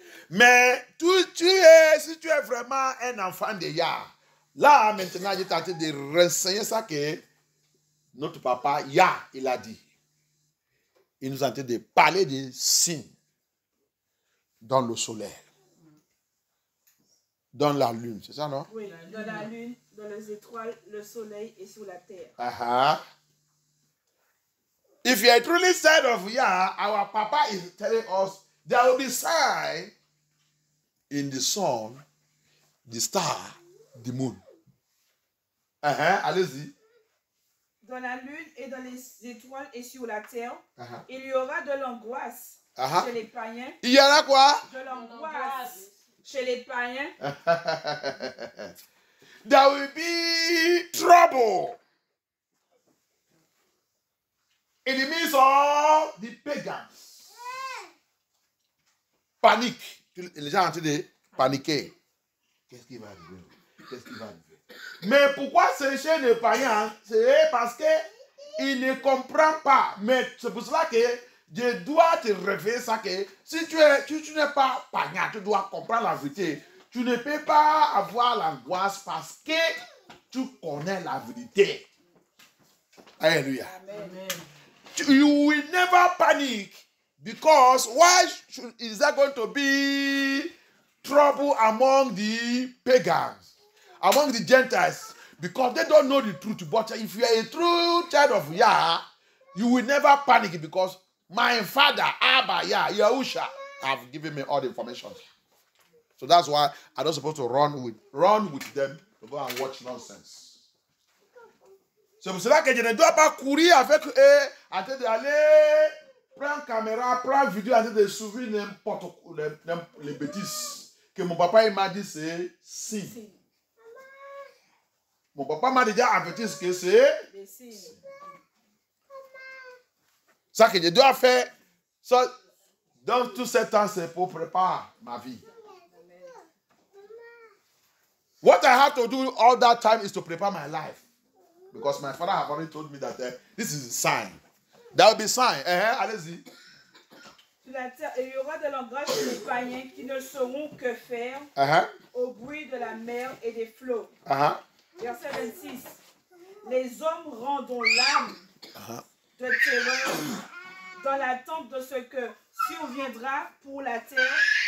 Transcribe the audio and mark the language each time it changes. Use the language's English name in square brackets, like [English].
[French] Mais si tu es vraiment un enfant de Yah, là maintenant j'ai tenté de renseigner ça que notre papa Yah, il a dit. Il nous a tenté de parler des signes dans le soleil. Dans la lune, c'est ça, non? Oui, dans la lune, dans les étoiles, le soleil et sur la terre. [English] If you are truly son of Yah, our papa is telling us there will be signs in the sun, the star, the moon. [French] Allez-y. Dans la lune et dans les étoiles et sur la terre, il y aura de l'angoisse chez les païens. Il y en a quoi? De l'angoisse. Chez les païens, [English] there will be trouble in the midst of the pagans. [French] Panique. Les gens ont été paniqués. Qu'est-ce qui va arriver? Mais pourquoi c'est chez les païens? C'est parce qu'ils ne comprennent pas. Mais c'est pour cela que je dois te réveiller ça que si tu n'es pas païen, tu dois comprendre la vérité. Tu ne peux pas avoir l'angoisse parce que tu connais la vérité. Alléluia. Amen. [English] You will never panic because why is there going to be trouble among the pagans, among the Gentiles? Because they don't know the truth. But if you are a true child of Yah, you will never panic because my father, Abba, Yahusha, have given me all the information. So that's why I'm not supposed to run with them to go and watch nonsense. [French] C'est pour cela que je ne dois pas courir avec eux en train d'aller prendre caméra, prendre vidéo, en train de suivre n'importe les bêtises. Que mon papa il m'a dit, c'est si. Mon papa m'a déjà averti ce que c'est. Ça que je dois faire, ça, dans tout ce temps, c'est pour préparer ma vie. [English] What I have to do all that time is to prepare my life. Because my father have already told me that this is a sign. That will be a sign. [French] Allez-y. Sur la terre, il y aura de l'angoisse chez les païens qui ne sauront que faire au bruit de la mer et des flots. Verset 26. Les hommes rendront l'âme de terreur dans l'attente de ce que surviendra pour la terre.